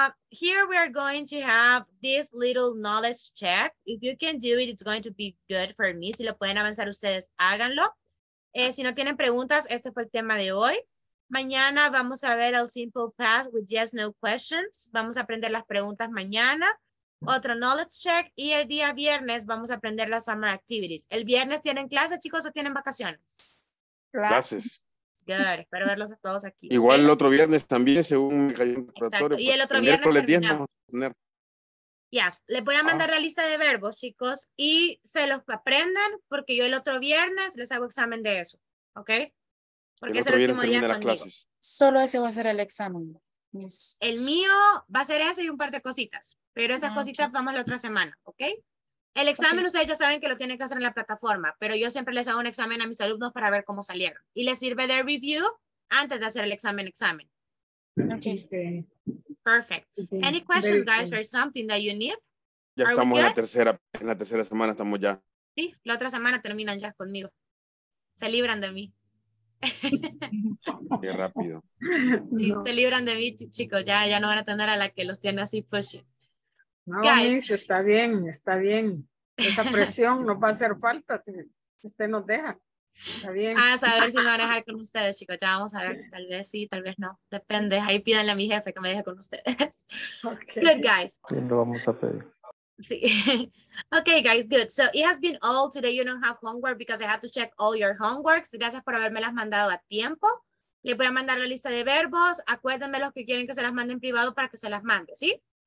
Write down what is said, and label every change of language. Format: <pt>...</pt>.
<en>Here we are going to have this little knowledge check. If you can do it, it's going to be good for me.</en> <es>Si lo pueden avanzar ustedes, háganlo. Si no tienen preguntas, este fue el tema de hoy. Mañana vamos a ver el</es> <en>simple path with yes, no questions.</en> <es>Vamos a aprender las preguntas mañana. Otro knowledge check. Y el día viernes vamos a aprender las summer activities. ¿El viernes tienen clases, chicos, o tienen vacaciones? Clases. Good, espero verlos a todos aquí. Igual el otro viernes también, según me cayó un preparatorio. Y el otro viernes. Yes, les voy a mandar la lista de verbos, chicos, y se los aprendan porque yo el otro viernes les hago examen de eso, ¿ok? Porque es el último día de las clases. Solo ese va a ser el examen. El mío va a ser ese y un par de cositas, pero esas cositas vamos la otra semana, ¿ok? El examen, ustedes ya saben que lo tienen que hacer en la plataforma, pero yo siempre les hago un examen a mis alumnos para ver cómo salieron. Y les sirve de review antes de hacer el examen.</es> <en>Okay. Perfect. Okay. Any questions, guys, for something that you need?</en> <es>Ya are estamos en la tercera semana, estamos ya. Sí, la otra semana terminan ya conmigo. Se libran de mí. Qué rápido. Sí, no. Se libran de mí, chicos. Ya no van a tener a la que los tiene así pushing. No, Miss, está bien. Esa presión no va a hacer falta si usted nos deja. Está bien. A ver si me van a dejar con ustedes, chicos. Ya vamos a ver. Tal vez sí, tal vez no. Depende. Ahí pídanle a mi jefe que me deje con ustedes.</es> <en>Okay. Good, guys.</en> <es>Bien, lo vamos a pedir.</es> <en>Sí. Okay, guys, good. So it has been all today. You don't have homework because I have to check all your homeworks.</en> <es>Gracias por haberme las mandado a tiempo. Le voy a mandar la lista de verbos. Acuérdenme los que quieren que se las manden privado para que se las mande, ¿sí?</es>